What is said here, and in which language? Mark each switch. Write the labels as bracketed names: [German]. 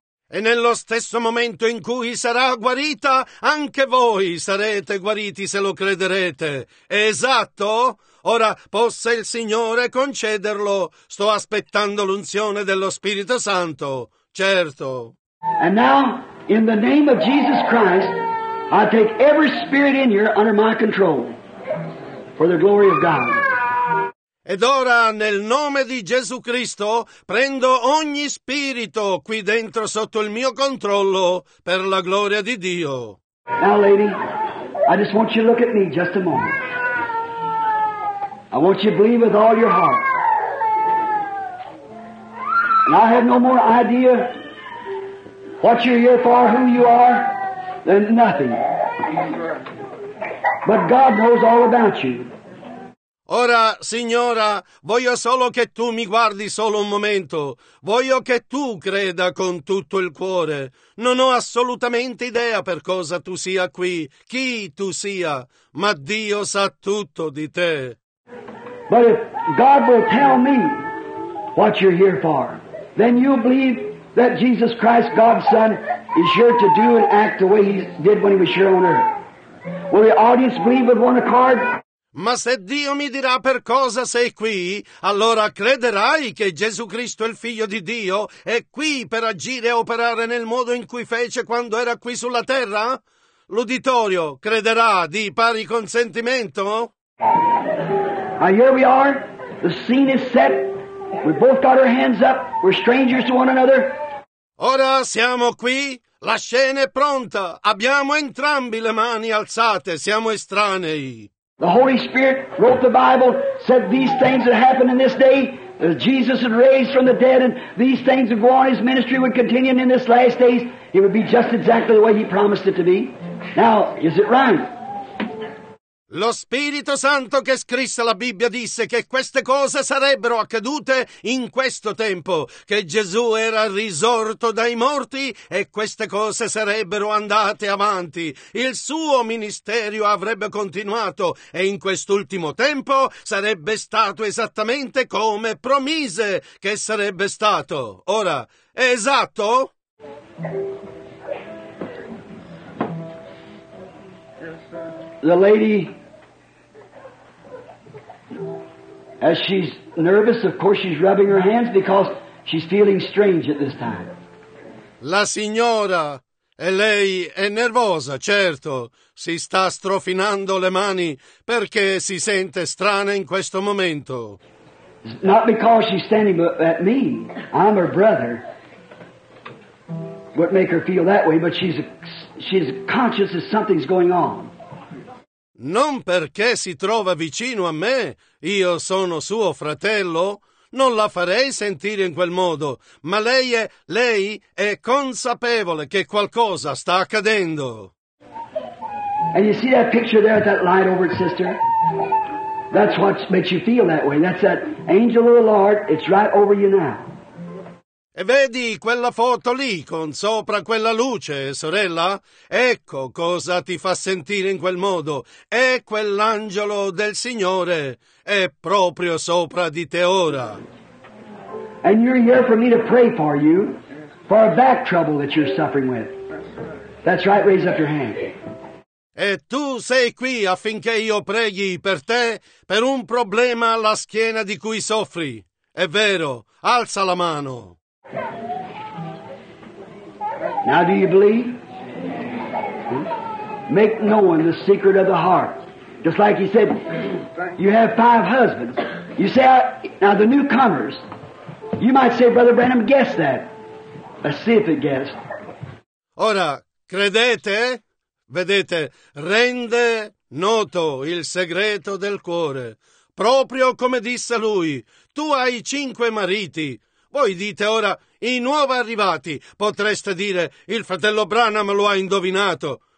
[Italian] E nello stesso momento in cui sarà guarita, anche voi sarete guariti se lo crederete. Esatto? Ora, possa il Signore concederlo. Sto aspettando l'unzione dello Spirito Santo. Certo. [English] And now, in the name of Jesus Christ, I take every spirit in here under my control for the glory of God. [Italian] Ed ora, nel nome di Gesù Cristo, prendo ogni spirito qui dentro sotto il mio controllo per la gloria di Dio. [English] Now, lady, I just want you to look at me just a moment. I want you to believe with all your heart. And I have no more idea what you're here for, who you are, than nothing. But God knows all about you. [Italian] Ora, signora, voglio solo che tu mi guardi solo un momento. Voglio che tu creda con tutto il cuore. Non ho assolutamente idea per cosa tu sia qui, chi tu sia, ma Dio sa tutto di te. [English] But if God will tell me what you're here for, then you'll believe that Jesus Christ, God's Son, is here to do and act the way He did when He was here on earth. Will the audience believe with one accord? [Italian] Ma se Dio mi dirà per cosa sei qui, allora crederai che Gesù Cristo, il Figlio di Dio, è qui per agire e operare nel modo in cui fece quando era qui sulla terra? L'uditorio crederà di pari consentimento? [English] Now here we are, the scene is set, we've both got our hands up, we're strangers to one another, [Italian] Ora siamo qui, la scena è pronta, abbiamo entrambi le mani alzate, siamo estranei. [English] The Holy Spirit wrote the Bible, said these things that happened in this day, Jesus had raised from the dead, and these things would go on, his ministry would continue, and in this last days, it would be just exactly the way he promised it to be. Now, is it right? [Italian] Lo Spirito Santo che scrisse la Bibbia disse che queste cose sarebbero accadute in questo tempo, che Gesù era risorto dai morti e queste cose sarebbero andate avanti. Il suo ministero avrebbe continuato e in quest'ultimo tempo sarebbe stato esattamente come promise che sarebbe stato. Ora, è esatto? [English] The lady, as she's nervous, of course she's rubbing her hands because she's feeling strange at this time. [Italian] La signora, e lei è nervosa, certo. Si sta strofinando le mani perché si sente strana in questo momento. [English] Not because she's standing at me. I'm her brother. What make her feel that way, but she's conscious that something's going on. [Italian] Non perché si trova vicino a me, io sono suo fratello, non la farei sentire in quel modo, ma lei è consapevole che qualcosa sta accadendo. [English] And you see that picture there with that light over it, sister? That's what makes you feel that way. That's that angel of the Lord, it's right over you now. [Italian] E vedi quella foto lì, con sopra quella luce, sorella? Ecco cosa ti fa sentire in quel modo. È quell'angelo del Signore. È proprio sopra di te ora. [English] And you're here for me to pray for you, for a back trouble that you're suffering with. That's right, raise up your hand. [Italian] E tu sei qui affinché io preghi per te, per un problema alla schiena di cui soffri. È vero, alza la mano. [English] Now do you believe? Make known the secret of the heart. Just like he said, you have five husbands. You say, now the newcomers, you might say, Brother Branham, guess that. Let's see if it guessed. [Italian] Ora, credete? Vedete, rende noto il segreto del cuore. Proprio come disse lui, tu hai cinque mariti. Voi dite ora, i nuovi arrivati, potreste dire, il fratello Branham lo ha indovinato.